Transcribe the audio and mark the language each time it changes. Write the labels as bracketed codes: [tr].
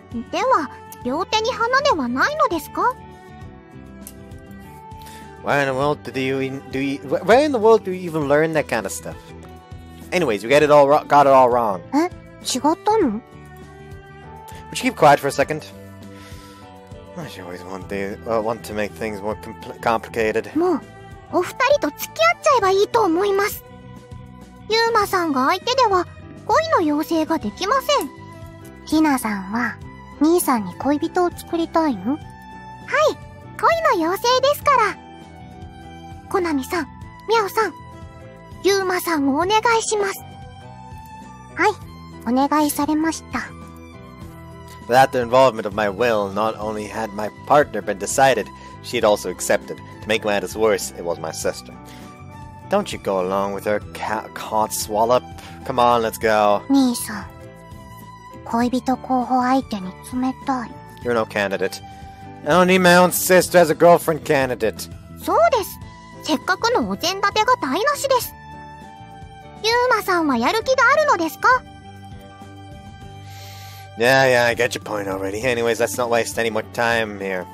[ja] では、両手に花ではないのですか? [en] Where in the world do you even learn that kind of stuff? Anyways, we got it all wrong. [ja] え、違ったの? [en] Would you keep quiet for a second? I should always want to make things more complicated. [ja] もう、お二人と付き合っちゃえばいいと思います。ユーマさんが相手では恋の妖精ができません。ティナさんは、兄さんに恋人を作りたいの? はい、恋の妖精ですから。コナミさん、ミャオさん、ユーマさんをお願いします。はい、お願いされました。 [en] Without the involvement of my will, not only had my partner been decided, she had also accepted. To make matters worse, it was my sister. Don't you go along with her, cat swallop. Come on, let's go. [ja] 兄さん、恋人候補相手に冷たい。 [en] You're no candidate. I don't need my own sister as a girlfriend candidate. [ja] そうです。せっかくのお膳立てが台無しです。ユーマさんはやる気があるのですか？ [en] Yeah, yeah, I get your point already. Anyways, let's not waste any more time here.